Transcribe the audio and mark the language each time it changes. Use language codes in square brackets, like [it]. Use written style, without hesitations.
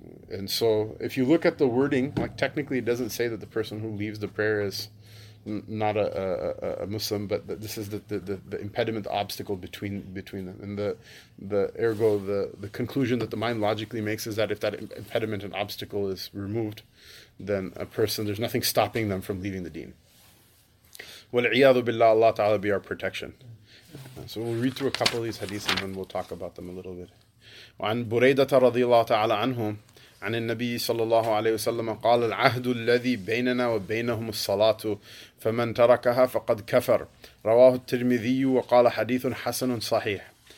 [en] And so if you look at the wording, like technically it doesn't say that the person who leaves the prayer is not a Muslim, but this is the impediment, the obstacle between them. And the conclusion that the mind logically makes is that if that impediment and obstacle is removed, then a person, there's nothing stopping them from leaving the deen. [ar] وَالْعِيَاذُ بِاللَّهِ اللَّهُ تَعَالَى [en] be our protection. So we'll read through a couple of these hadiths and then we'll talk about them a little bit. [ar] وَعَنْ بُرَيْدَةَ رَضِيَ اللَّهُ تَعَالَى عَنْهُمْ عن النبي صلى الله عليه وسلم قال العهد الذي بيننا وبينهم الصلاة فمن تركها فقد كفر رواه الترمذي وقال حديث حسن صحيح.